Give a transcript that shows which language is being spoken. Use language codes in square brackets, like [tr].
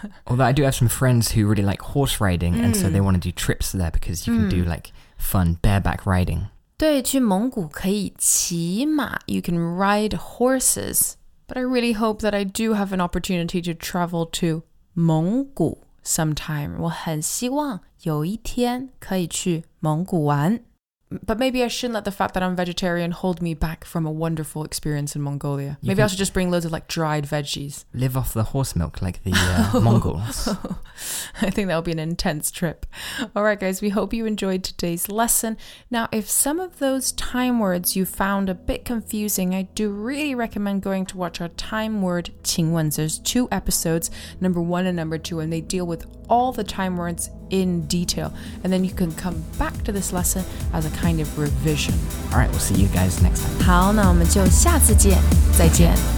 [en] Although I do have some friends who really like horse riding, and so they want to do trips there because you can do like fun bareback riding. [zh] 对，去蒙古可以骑马 [en] You can ride horses. But I really hope that I do have an opportunity to travel to 蒙古 sometime. [zh] 我很希望有一天可以去蒙古玩。 [en] But maybe I shouldn't let the fact that I'm vegetarian hold me back from a wonderful experience in Mongolia. Maybe I should just bring loads of like dried veggies. Live off the horse milk like the Mongols. I think that'll be an intense trip. All right, guys, we hope you enjoyed today's lesson. Now, if some of those time words you found a bit confusing, I do really recommend going to watch our time word 请问. There's two episodes, number one and number two, and they deal with all the time words in detail. And then you can come back to this lesson as a kind of revision. All right, we'll see you guys next time. [zh] 好，那我们就下次见，再见。